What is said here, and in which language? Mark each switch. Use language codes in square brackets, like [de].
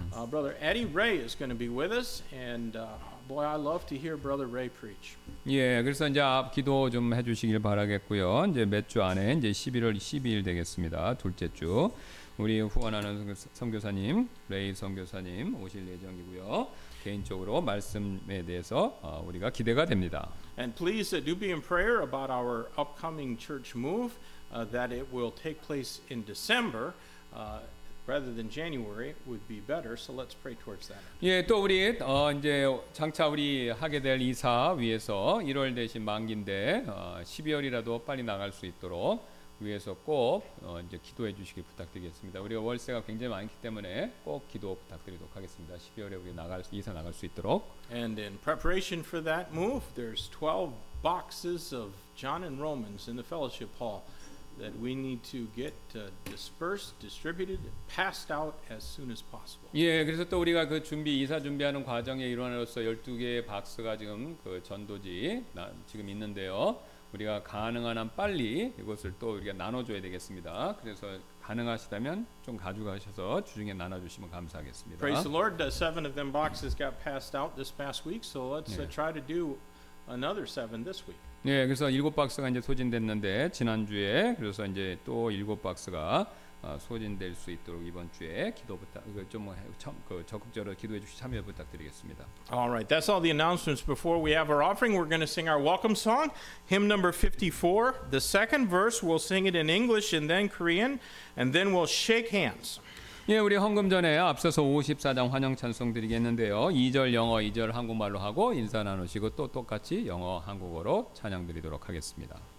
[en] Brother Eddie Ray is going to be with us, and boy, I love to hear Brother Ray preach. [ko] 예, 그래서 이제 앞 기도 좀 해주시길 바라겠고요. 이제 몇 주 안에 이제 11월 12일 되겠습니다. 둘째 주 우리 후원하는 선교사님 레이 선교사님 오실 예정이고요. 개인적으로 말씀에 대해서 우리가 기대가 됩니다. [en] And please do be in prayer about our upcoming church move that it will take place in December. Rather than January would be better, so let's pray towards that. [ko] 예, 또 우리 이제 장차 우리 하게 될 이사 위해서 1월 대신 만기인데 12월이라도 빨리 나갈 수 있도록 위해서 꼭 이제 기도해 주시기 부탁드리겠습니다. 우리가 월세가 굉장히 많기 때문에 꼭 기도 부탁드리도록 하겠습니다. 12월에 우리 나갈 이사 나갈 수 있도록. [en] And in preparation for that move, there's 12 boxes of John and Romans in the fellowship hall. That we need to get dispersed, distributed, passed out as soon as possible. [ko] 예, 그래서 또 우리가 그 준비 이사 준비하는 과정의 일환으로서 12개의 박스가 지금 그 전도지 지금 있는데요. 우리가 가능한 한 빨리 이것을 또 우리가 나눠줘야 되겠습니다. 그래서 가능하시다면 좀 가져가셔서 주중에 나눠주시면 감사하겠습니다. [en] Praise the Lord. The seven of them boxes got passed out this past week, so let's try to do another seven this week. [ko] 네, 예, 그래서 일곱 박스가 이제 소진됐는데 지난주에 그래서 이제 또 일곱 박스가 소진될 수 있도록 이번 주에 기도 부탁 좀 그 적극적으로 기도해 주시 참여 부탁드리겠습니다. [en] All right, that's all the announcements. Before we have our offering, we're going to sing our welcome song, hymn number 54. The second verse, we'll sing it in English and then Korean, and then we'll shake hands. [ko] 예, 우리 헌금 전에 앞서서 54장 환영 찬송 드리겠는데요. 2절 영어, 2절 한국말로 하고 인사 나누시고 또 똑같이 영어, 한국어로 찬양 드리도록 하겠습니다.